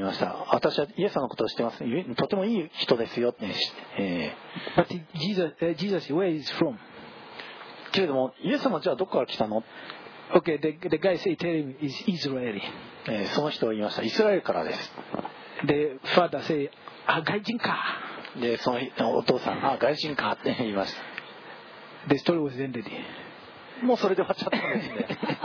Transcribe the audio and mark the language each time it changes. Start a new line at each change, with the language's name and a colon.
Japanese: 言いました、私はイエスのことを知っています、とてもいい人ですよ、ね、
English: But Jesus, Jesus, where is from?
Japanese: けれどもイエス様じゃあどこから来たの、
English: okay, the guy said, tell him, is Israeli.
Japanese: その人は言いました、イスラエルからです。
English: The father said,
Japanese: あ、外人か。でそのお父さん、あ、外人かって言いました。
English: The story was ended.
Japanese: もうそれで終わっちゃったんですね。